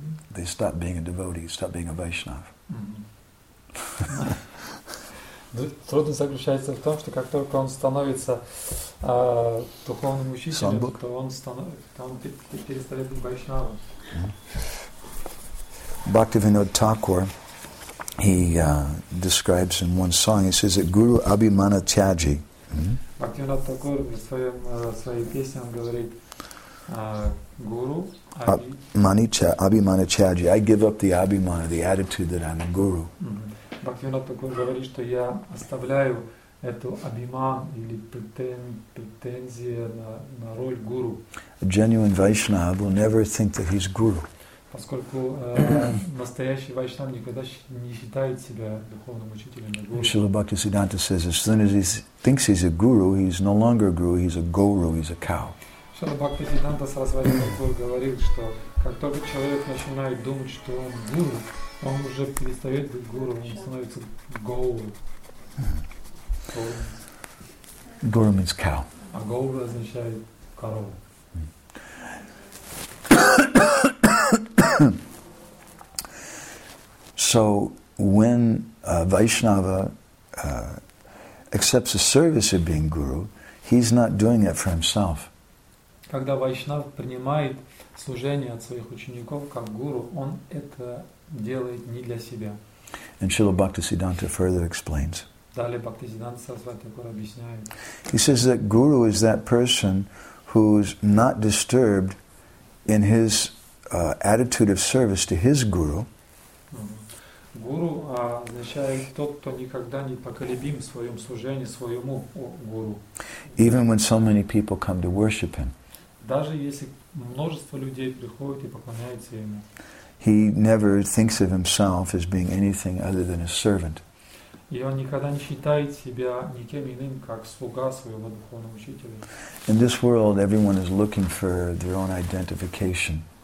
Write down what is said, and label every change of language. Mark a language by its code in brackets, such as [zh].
[en] They stop being a devotee, stop being a Vaishnav. [ru] Трудно заключается в том, что как только он становится духовным учителем, то он перестает быть Вайшнавом. [en] Бхактивинода Такур, he describes in one song, he says that Guru Abhimana Tyaji. [ru] Bhaktivinoda Thakur [en] in his [ru] своей песне он говорит Guru [sa] Abhimana Tyaji. [en] I give up the Abhimana, the attitude that I'm a guru. [ru] Bhaktivinoda Thakur говорит, что я оставляю эту Abhiman или претензию на роль гуру. [en] A genuine Vaishnava will never think that he's guru. [ru] Поскольку настоящий вайшнав никогда не считает себя духовным учителем, а гуру. [en] Шрила Бхактисиддханта says, as soon as he thinks he's a guru, he's no longer a guru, he's a guru, he's a cow. [ru] Шрила Бхактисиддханта Сарасвати Тхакур говорил, что как только человек начинает думать, что он гуру, он уже перестает быть гуру, он становится гоуру. [en] Гуру means cow. [ru] А гоуру означает корову. [en] So when a Vaishnava accepts the service of being guru, he's not doing it for himself. [ru] Когда вайшнав принимает служение от своих учеников как гуру, он это делает не для себя. [en] And Srila Bhaktisiddhanta further explains. [ru] Далее Бхактисиддханта Сарасвати Тхакур объясняет. [en] He says that guru is that person who's not disturbed in his attitude of service to his guru. [ru] Гуру означает тот, кто никогда не поколебим в своем служении своему гуру. [en] Even when so many people come to worship him. [ru] Даже если множество людей приходит и поклоняется ему. [en] He never thinks of himself as being anything other than a servant. [ru] И он никогда не считает себя никем иным, как слуга своего духовного учителя. [en] In this world, everyone is looking for their own identification.